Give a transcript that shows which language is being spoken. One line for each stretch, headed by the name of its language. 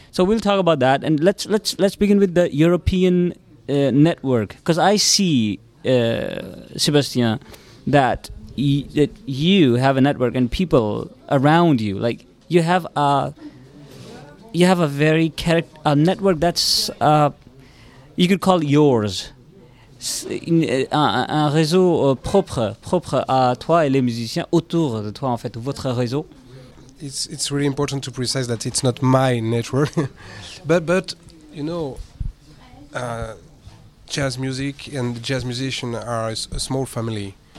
English: So we'll talk about that, and let's begin with the European network, because I see Sebastian that you have a network and people around you, like you have a very a network that's. You could call it yours.
French: Un réseau propre à toi et les musiciens autour de toi, en fait, votre réseau.
English: It's really important to precise that it's not my network. but you know, jazz music and jazz musicians are a small family.